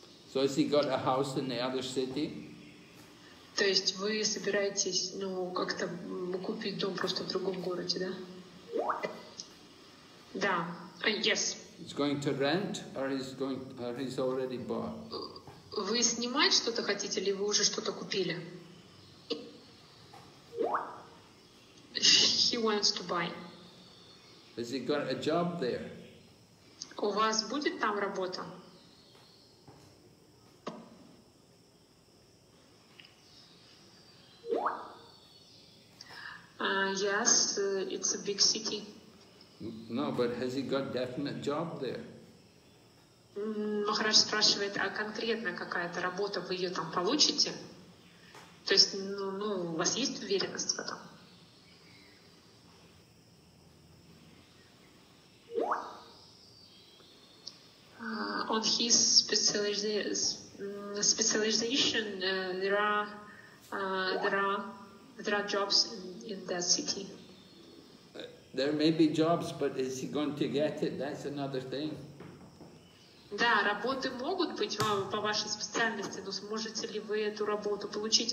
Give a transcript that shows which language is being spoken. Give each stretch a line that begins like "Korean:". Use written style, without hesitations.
English: So has he got a house in the other city?
Russian: То есть вы собираетесь, ну, как-то купить дом просто в другом городе, да? Да.
English: Yes. He's going to rent, or he's already bought.
Russian: Вы снимать что-то хотите, или вы уже что-то купили?
English: He wants to buy. Has he got a job there?
Russian: У вас будет там работа?
English: Yes, it's a big city. No, but has he got definite job there?
Russian: Махарадж спрашивает, а конкретно какая-то работа вы ее там получите? То есть, ну, у вас есть уверенность в этом?
English: On his specialization, there are jobs in that city. There may be jobs, but is he going to get it? That's another thing.
Russian: Да, работы могут быть вам по вашей специальности, но сможете ли вы эту работу получить?